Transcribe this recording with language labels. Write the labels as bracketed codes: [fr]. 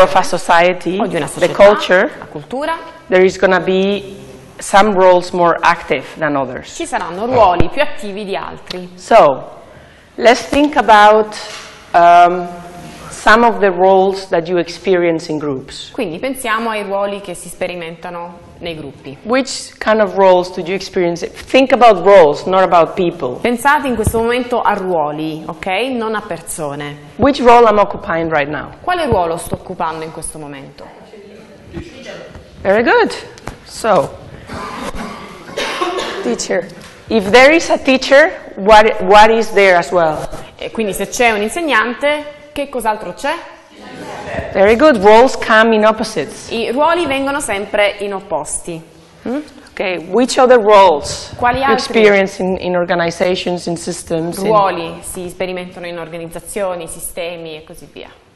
[en] or of a society, [it] o di una società, [en] the culture, [it] la cultura, [en] there is gonna be some roles more active than others. [it] Ci saranno ruoli più attivi di altri. [en] So, let's think about some of the roles that you experience in groups. [it] Quindi pensiamo ai ruoli che si sperimentano nei gruppi. [en] Which kind of roles did you experience? Think about roles, not about people. [it] Pensate in questo momento a ruoli, ok? Non a persone. [en] Which role am I occupying right now? [it] Quale ruolo sto occupando in questo momento? [en] Very good. So, teacher. If there is a teacher, what is there as well? [it] E quindi se c'è un insegnante, che cos'altro c'è? [en] Very good. Roles come in opposites. [it] I ruoli vengono sempre in opposti. [en] Okay, which other roles [it] quali [en] you experience in organizations, in systems? [it] Ruoli si sperimentano in organizzazioni, sistemi e così via.